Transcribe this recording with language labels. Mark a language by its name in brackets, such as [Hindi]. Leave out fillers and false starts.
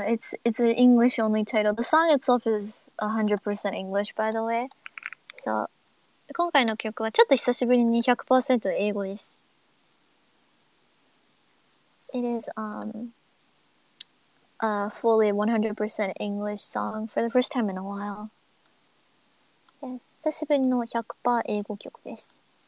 [English] It's an English only title. The song itself is 100% English, by the way. [Japanese] So, 今回の曲はちょっと久しぶりに 100% 英語です。 [English] It is, a fully 100% English song for the first time in a while. [Japanese] Yes, 久しぶりの 100% 英語曲です。